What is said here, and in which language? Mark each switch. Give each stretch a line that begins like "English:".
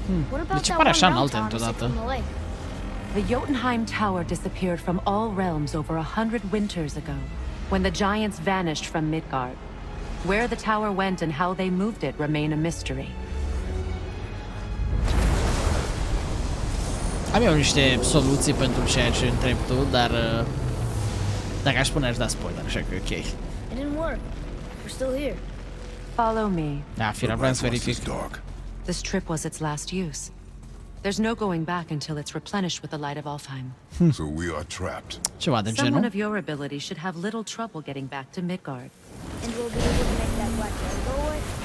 English: What about that one realm tower from the lake? The Jotunheim Tower disappeared from all realms over 100 winters ago, when the giants vanished from Midgard. Where the tower went and how they moved it remain a mystery.
Romanian: Am eu niște soluții pentru ceea ce întreb tu, dar dacă aș spune aș da spoiler, așa că ok.
English: It didn't work. We're still here. Follow me.
Romanian: Da, fira, vreau să verific.
English: This trip was its last use. There's no going back until it's replenished with the light of Alfheim. So we are trapped.
Romanian: Ceva de genul.
English: Someone of your ability should have little trouble getting back to Midgard. And we'll be able to make that black dress go away?